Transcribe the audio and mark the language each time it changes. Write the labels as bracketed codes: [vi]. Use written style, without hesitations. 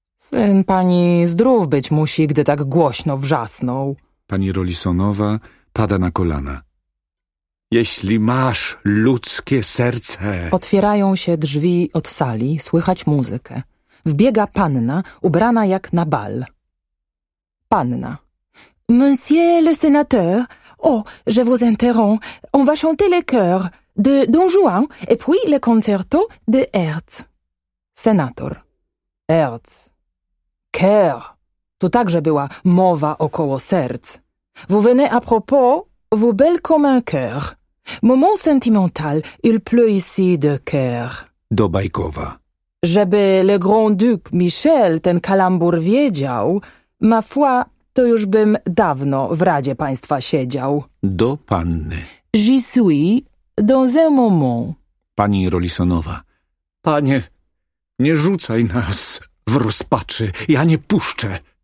[pl] Syn pani zdrów być musi, gdy tak głośno wrzasnął. Pani Rolisonowa pada na kolana. Jeśli masz ludzkie serce... Otwierają się drzwi od sali, słychać muzykę. Wbiega panna, ubrana jak na bal. Panna. [fr] Monsieur le sénateur, oh, je vous interromps, on va chanter le chœur de Don Juan et puis le concerto de Herz. [pl] Senator. Herz. Chœur. Tu także była mowa około serc. [fr] Vous venez à propos, vous belle comme un chœur. Moment sentimental, il pleut ici de cœur. [pl] Do Bajkowa. Żeby le grand duc Michel ten kalambur wiedział, [fr] ma foi, [pl] to już bym dawno w Radzie Państwa siedział. Do panny. [fr] J'y suis dans un moment. [pl] Pani Rolisonowa. Panie, nie rzucaj nas w rozpaczy, ja nie puszczę.